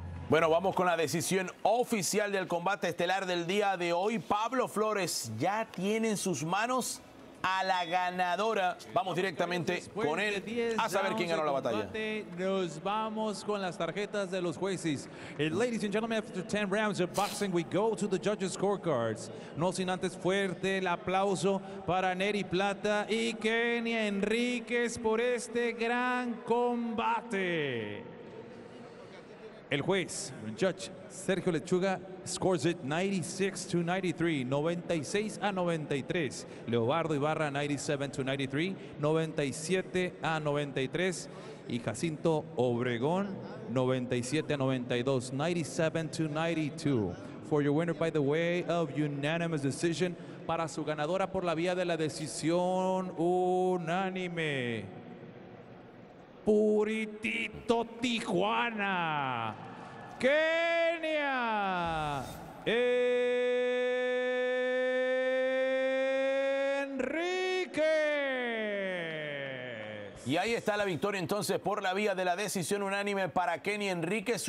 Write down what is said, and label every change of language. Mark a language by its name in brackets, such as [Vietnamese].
[Spanish] Bueno, vamos con la decisión oficial del combate estelar del día de hoy. Pablo Flores ya tiene en sus manos a la ganadora. Vamos directamente con él a saber quién ganó la batalla. Nos vamos con las tarjetas de los jueces. [English] Ladies and gentlemen, after 10 rounds of boxing, we go to the judges' scorecards. [Spanish] No sin antes fuerte el aplauso para Neri Plata y Kenny Enríquez por este gran combate. El juez, [English] judge Sergio Lechuga, scores it 96-93, 96-93. Leobardo Ibarra, 97-93, 97-93. Y Jacinto Obregón, 97-92, 97-92. For your winner, by the way, of unanimous decision, [Spanish] para su ganadora por la vía de la decisión unánime. Puritito Tijuana. Kenia. Y ahí está la victoria entonces por la vía de la decisión unánime para Kenny Enríquez.